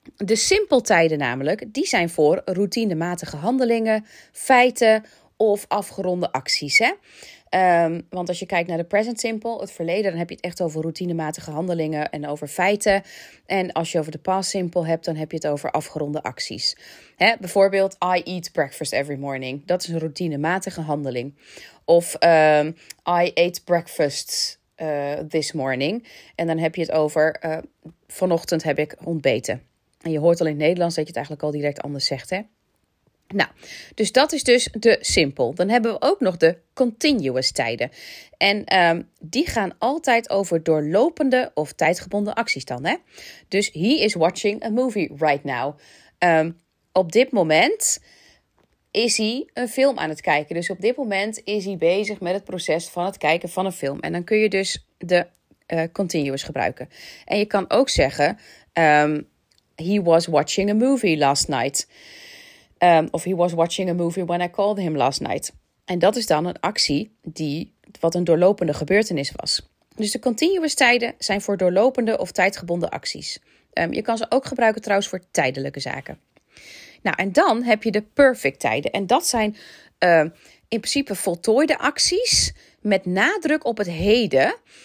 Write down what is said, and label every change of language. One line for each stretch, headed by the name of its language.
Dutch: De simpele tijden namelijk, die zijn voor routinematige handelingen, feiten of afgeronde acties. Hè? Want als je kijkt naar de present simple, het verleden, dan heb je het echt over routinematige handelingen en over feiten. En als je over de past simple hebt, dan heb je het over afgeronde acties. Hè? Bijvoorbeeld,
English: I eat breakfast every morning.
Dutch: Dat is een routinematige handeling.
English: Of I ate breakfast this morning.
Dutch: En dan heb je het over vanochtend heb ik ontbeten. En je hoort al in het Nederlands dat je het eigenlijk al direct anders zegt, hè? Nou, dus dat is dus de simpel. Dan hebben we ook nog de continuous tijden. En die gaan altijd over doorlopende of tijdgebonden acties dan, hè?
English: Dus he is watching a movie right now.
Dutch: Op dit moment is hij een film aan het kijken. Dus op dit moment is hij bezig met het proces van het kijken van een film. En dan kun je dus de continuous gebruiken. En je kan ook zeggen,
English: he was watching a movie last night. Of he was watching a movie when I called him last night.
Dutch: En dat is dan een actie die wat een doorlopende gebeurtenis was. Dus de continuous tijden zijn voor doorlopende of tijdgebonden acties. Je kan ze ook gebruiken trouwens voor tijdelijke zaken. Nou, en dan heb je de perfect tijden. En dat zijn in principe voltooide acties met nadruk op het heden.